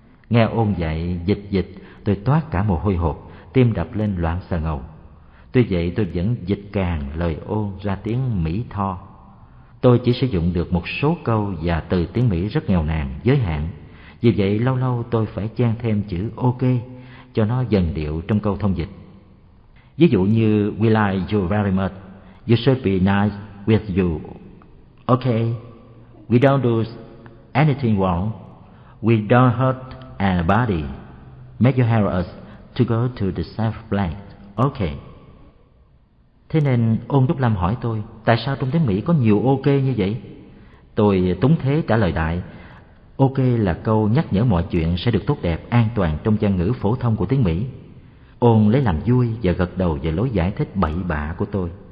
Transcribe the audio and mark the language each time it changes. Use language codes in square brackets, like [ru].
[vi] Nghe Ôn dạy dịch, tôi toát cả mồ hôi hột, tim đập lên loạn xà ngầu. Tuy vậy tôi vẫn dịch càng lời Ôn ra tiếng Mỹ tho. Tôi chỉ sử dụng được một số câu và từ tiếng Mỹ rất nghèo nàn, giới hạn. Vì vậy lâu lâu tôi phải chen thêm chữ OK cho nó dần điệu trong câu thông dịch. [en] Ví dụ như we like you very much, you should be nice with you. OK, we don't do anything wrong, we don't hurt anybody, make you help us to go to the safe place. OK. [vi] Thế nên Ôn Đúc Lâm hỏi tôi, tại sao trong tiếng Mỹ có nhiều OK như vậy? Tôi túng thế trả lời đại, OK là câu nhắc nhở mọi chuyện sẽ được tốt đẹp, an toàn trong văn ngữ phổ thông của tiếng Mỹ. Ôn lấy làm vui và gật đầu về lối giải thích bậy bạ của tôi.